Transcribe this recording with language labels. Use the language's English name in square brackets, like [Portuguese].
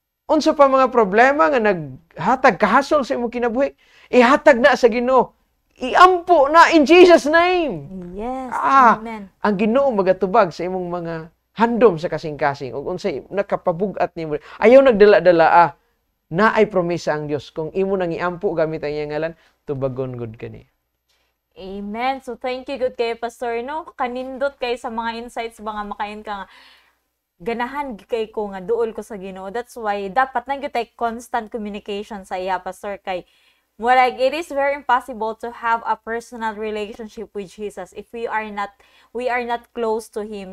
[Cebuano] Unsa pa mga problema nga naghatag kahasol sa imong kinabuhi? Ihatag na sa Ginoo. Iampo na [English] in Jesus' name. Yes, amen. [Cebuano] Ang Ginoo magatubag sa imong mga handom sa kasing-kasing. O kung sa nakapabugat niyo. Ayaw nagdala-dala, na ay promisa ang Diyos. Kung imo nang iampo gamit ang iyang ngalan, tubagon good ka niya. Amen. [English] So thank you [Cebuano] good kayo, Pastor. No? Kanindot kayo sa mga insights, mga makain ka nga. Ganahan kay ko nga duol ko sa Ginoo. [English] That's why [Cebuano] dapat nang kita [English] constant communication sa iya, Pastor, kay more like it is very impossible to have a personal relationship with Jesus if we are not close to him.